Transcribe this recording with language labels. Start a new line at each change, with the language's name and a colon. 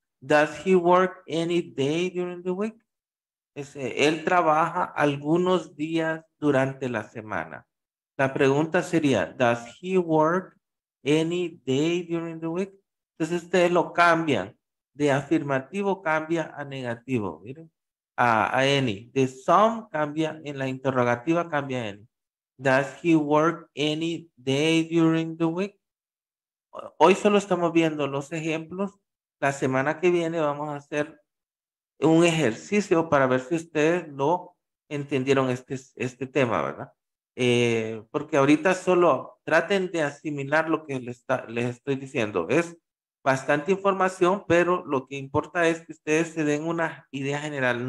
English: Does he work any day during the week?
Spanish: Ese, él trabaja algunos días durante la semana. La pregunta sería,
English: does he work any day during the week?
Spanish: Entonces ustedes lo cambian. De afirmativo cambia a negativo. Miren, a any. De some cambia, en la interrogativa cambia a any.
English: Does he work any day during the week?
Spanish: Hoy solo estamos viendo los ejemplos. La semana que viene vamos a hacer un ejercicio para ver si ustedes lo entendieron este tema, ¿verdad? Porque ahorita solo traten de asimilar lo que les estoy diciendo. Es bastante información, pero lo que importa es que ustedes se den una idea general.